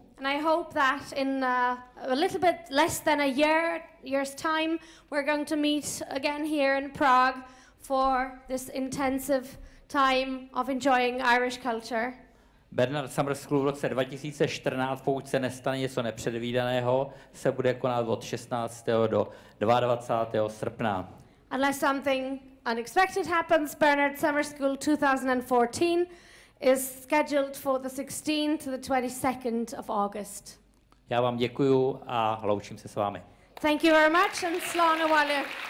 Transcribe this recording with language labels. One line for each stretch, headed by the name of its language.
English: And I hope that in a little bit less than a year's time we're going to meet again here in Prague for this intensive time of enjoying Irish culture.
Czech: Bernard Summer School v roce 2014, pokud se nestane něco nepředvídaného, se bude konat od 16. do 22. srpna.
English: Unless something unexpected happens, Bernard Summer School 2014 is scheduled for the 16th to the 22nd of August.
Czech: Já vám děkuju a loučím se s vámi.
English: Thank you very much and
Irish: slána vale.